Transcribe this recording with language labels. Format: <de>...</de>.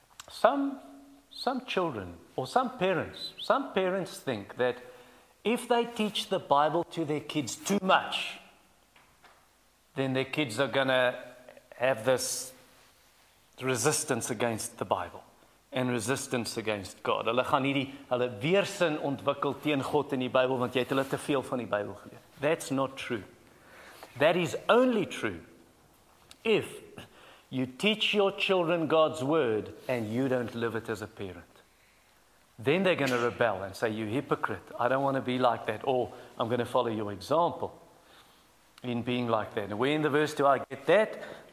<en>Some children, or some parents think that if they teach the Bible to their kids too much, then their kids are going to have this resistance against the Bible and resistance against God.</en> <af>Hulle gaan nie die, hulle weersin ontwikkel teen God en die Bybel, want jy het hulle te veel van die Bybel geleer.</af> <en>That's not true. That is only true if you teach your children God's word and you don't live it as a parent. Then they're going to rebel and say, you hypocrite, I don't want to be like that. Or I'm going to follow your example in being like that. And where in the verse do I get that?</en>